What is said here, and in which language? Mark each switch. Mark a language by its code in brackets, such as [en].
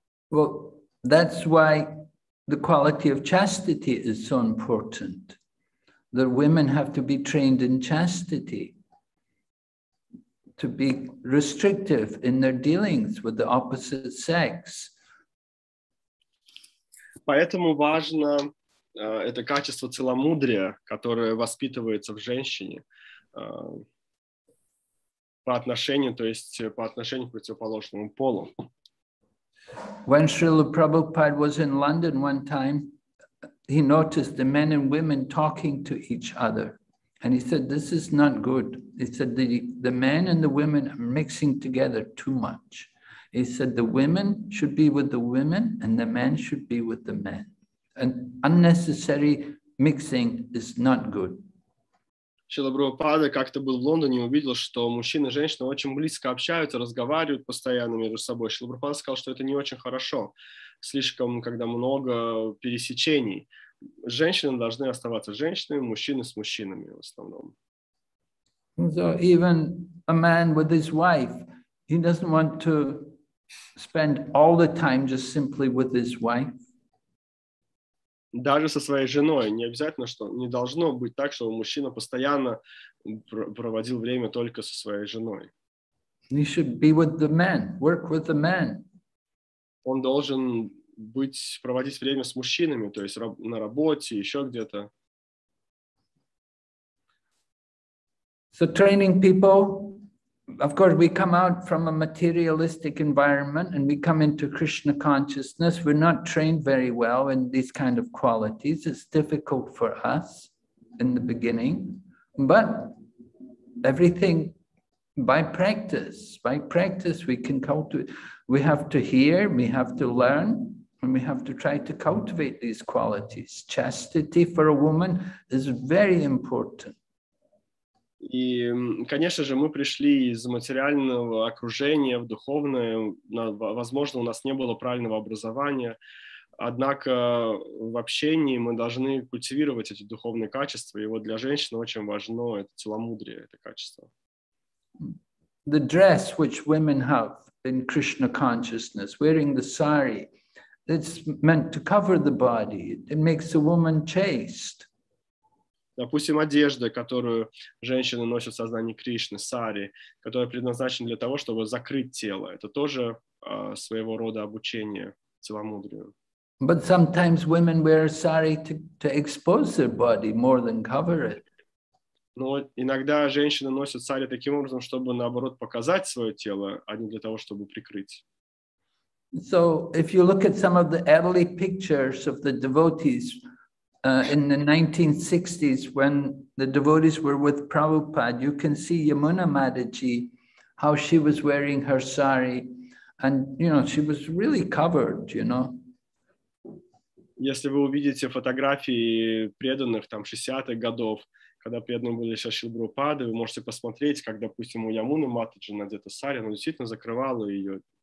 [en] Well, that's why the quality of chastity is so important. The women have to be trained in chastity, to be restrictive in their dealings with the opposite sex. [ru] Поэтому важно это качество целомудрия, которое воспитывается в женщине по отношению к противоположному полу. [en] When Srila Prabhupada was in London one time, he noticed the men and women talking to each other. And he said, this is not good. He said, the men and the women are mixing together too much. He said, the women should be with the women and the men should be with the men. And unnecessary mixing is not good. [ru] Шрила Прабхупада как-то был в Лондоне и увидел, что мужчина и женщина очень близко общаются, разговаривают постоянно между собой. Шрила Прабхупада сказал, что это не очень хорошо. Слишком, когда много пересечений. Женщины должны оставаться женщинами, мужчины с мужчинами в основном. [en] So even a man with his wife, he doesn't want to spend all the time just simply with his wife. [ru] Даже со своей женой не обязательно, что не должно быть так, чтобы мужчина постоянно проводил время только со своей женой. [en] He should be with the man, work with the man. [ru] Он должен быть, проводить время с мужчинами, то есть на работе, еще где-то. [en] So training people of course, we come out from a materialistic environment and we come into Krishna consciousness. We're not trained very well in these kind of qualities. It's difficult for us in the beginning, but everything by practice, we can cultivate. We have to hear, we have to learn, and we have to try to cultivate these qualities. Chastity for a woman is very important. [ru] И, конечно же, мы пришли из материального окружения в духовное. Возможно, у нас не было правильного образования. Однако в общении мы должны культивировать эти духовные качества. И вот для женщины очень важно это целомудрие, это качество. [en] The dress which women have in Krishna consciousness, wearing the sari, it's meant to cover the body. It makes a woman chaste. [ru] Допустим, одежда, которую женщины носят в сознании Кришны, сари, которая предназначена для того, чтобы закрыть тело. Это тоже своего рода обучение целомудрию. [en] But sometimes women wear sari to expose their body more than cover it. [ru] Но иногда женщины носят сари таким образом, чтобы, наоборот, показать свое тело, а не для того, чтобы прикрыть. [en] So, if you look at some of the early pictures of the devotees, in the 1960s, when the devotees were with Prabhupada, you can see Yamuna Mataji, how she was wearing her sari, and you know she was really covered. You know. [ru] Если вы увидите фотографии преданных там 60-х годов, когда преданные были со Шрилой Прабхупадой, вы можете посмотреть, как, допустим, у Ямуны Матаджи надета сари, она действительно закрывала ее.